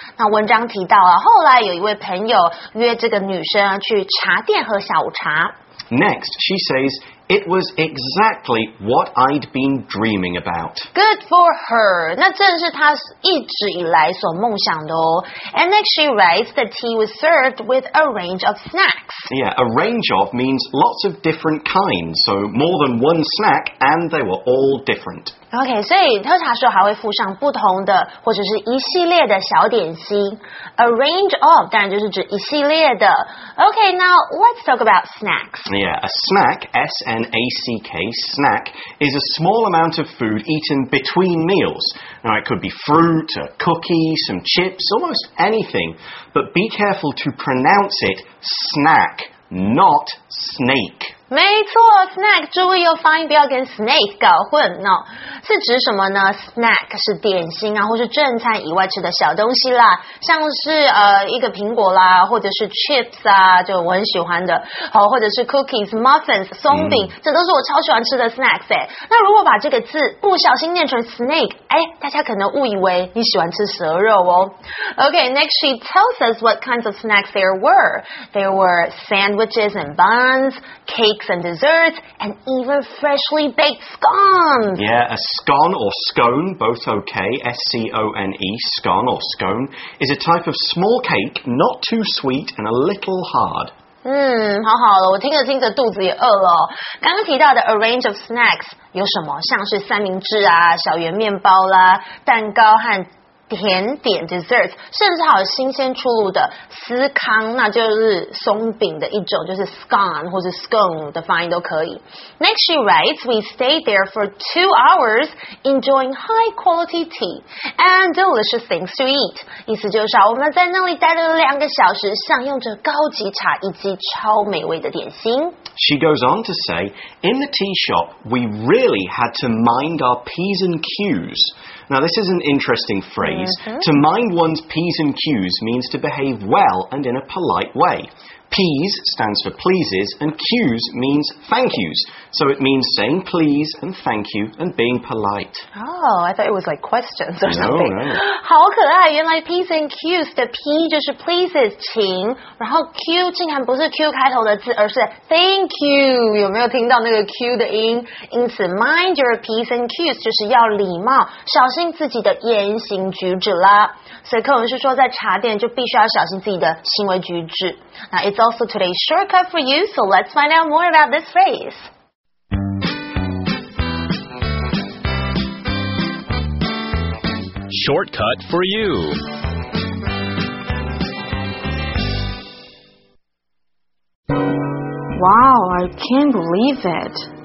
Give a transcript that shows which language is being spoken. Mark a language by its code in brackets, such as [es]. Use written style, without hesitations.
[zh] 那文章提到啊，后来有一位朋友约这个女生啊去茶店喝下午茶。 [en] Next, she says it was exactly what I'd been dreaming about. Good for her. [zh] 那正是她一直以来所梦想的哦。 [en] And next, she writes the tea was served with a range of snacks. Yeah, a range of means lots of different kinds, so more than one snack, and they were all different. [zh] Okay, 所以喝茶时候还会附上不同的或者是一系列的小点心。 [en] A range of [zh] 当然就是指一系列的。 [en] Okay, now let's talk about snacks. Yeah, a snack, S-N-A-C-K, snack, is a small amount of food eaten between meals. Now it could be fruit, a cookie, some chips, almost anything. But be careful to pronounce it snack, not snake. [zh] 没错 ，snack， 注意哦，发音不要跟 snake 搞混哦。是指什么呢 ？snack 是点心啊，或是正餐以外吃的小东西啦，像是一个苹果啦，或者是 chips 啊，就我很喜欢的，好，或者是 cookies、muffins、松饼，这都是我超喜欢吃的 snacks 哎。那如果把这个字不小心念成 snake， 哎，大家可能误以为你喜欢吃蛇肉哦。 [en] Okay, next she tells us what kinds of snacks there were. There were sandwiches and buns, cakes and desserts, and even freshly baked scones. Yeah, a scone or scone, both okay, S-C-O-N-E, scone or scone, is a type of small cake, not too sweet and a little hard. [zh] 好好了，我听着听着肚子也饿了、哦。刚刚提到的 [en] a range of snacks [zh] 有什么？像是三明治啊、小圆面包啦、蛋糕和甜点 desserts， 甚至还有新鲜出炉的司康，那就是松饼的一种，就是 scone 或者 scone 的发音都可以。 [en] Next, she writes, we stayed there for 2 hours, enjoying high quality tea and delicious things to eat. [zh] 意思就是啊，我们在那里待了2个小时，享用着高级茶以及超美味的点心。 [en] She goes on to say, in the tea shop, we really had to mind our P's and Q's. Now, this is an interesting phrase. Mm-hmm. To mind one's P's and Q's means to behave well and in a polite way. P's stands for pleases and Q's means thank yous. So it means saying please and thank you and being polite. Oh, I thought it was like questions or something. No, no. [zh] 好可爱，原来 P's and Q's 的 P 就是 pleases, 请，然后 Q 竟然不是 Q 开头的字，而是 thank you, 有没有听到那个 Q 的音？因此 [en] mind your P's and Q's [zh] 就是要礼貌，小心自己的言行举止啦。所以课文是说在茶店就必须要小心自己的行为举止。 [en] 那 it's also today's shortcut for you, so let's find out more about this phrase. Shortcut for you. Wow, I can't believe it.